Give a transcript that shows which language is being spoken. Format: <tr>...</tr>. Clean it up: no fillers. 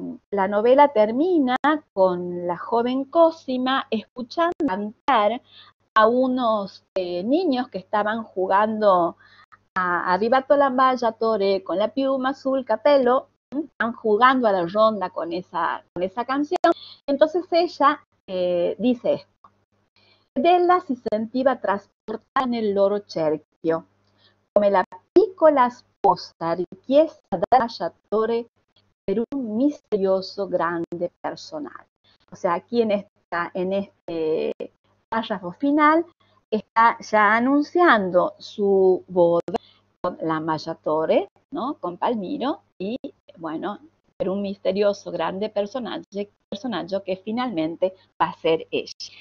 <es>La novela termina con la joven Cosima escuchando cantar a unos niños que estaban jugando arriba Tolambaya Tore con la piuma azul capelo, están jugando a la ronda con esa canción. Entonces ella dice esto:</es> <it>Della si sentiva trasportata nel loro cerchio, come la piccola sposa richiesta da Tolambaya Tore.</it> <es>Pero un misterioso grande personal. O sea, aquí en este párrafo final está ya anunciando su boda con Lambaya Tore, ¿no? Con Palmiro, y bueno, pero un misterioso grande personaje que finalmente va a ser ella.</es>